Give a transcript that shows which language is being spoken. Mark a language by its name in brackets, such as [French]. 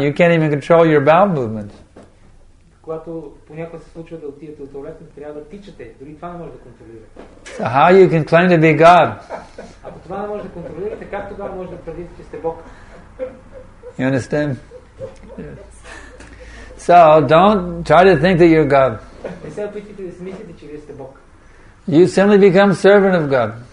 [English] You can't even control your bowel movements. [Bulgarian] Когато понякога се случва да отидете от туалетна, трябва да тичате. Дори това не може да контролира. [English] So how you can claim to be God? [Bulgarian] Ако това не може да контролирате, как тогава може да твърдите, че сте Бог? [English] You understand? Yes. So don't try to think that you're God. [Bulgarian] Не се опитвайте да си мислите, че вие сте Бог. [English] You simply become servant of God.